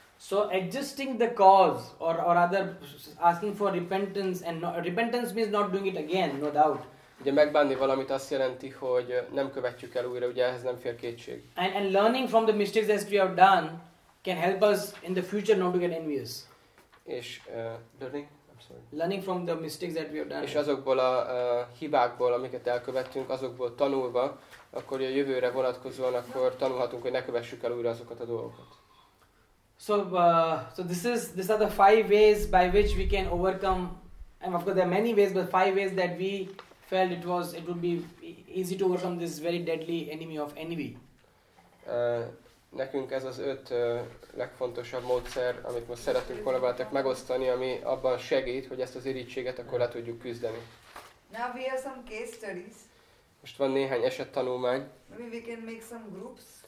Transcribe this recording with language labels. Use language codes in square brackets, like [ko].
[en] So adjusting the cause, or rather asking for repentance, and repentance means not doing it again, no doubt. [hu] Ugye megbánni valamit azt jelenti, hogy nem követjük el újra, ugye ehhez nem fér kétség. [en] And learning from the mistakes that we have done can help us in the future not to get envious. [hu] És [en] learning from the mistakes that we have done. [hu] És azokból a hibákból, amiket elkövettünk, azokból tanulva, akkor a jövőre vonatkozóan akkor tanulhatunk, hogy ne kövessük el újra azokat a dolgokat. [en] So these are the five ways by which we can overcome, and of course there are many ways, but five ways that we felt it would be easy to overcome this very deadly enemy of envy. [hu] Nekünk ez az öt legfontosabb módszer, amit most szeretünk korábbátok megosztani, ami abban segít, hogy ezt az irigységet akkor le tudjuk küzdeni. [en] Now we have some case studies. [hu] Most van néhány esettanulmány. [en] Maybe we can make some groups.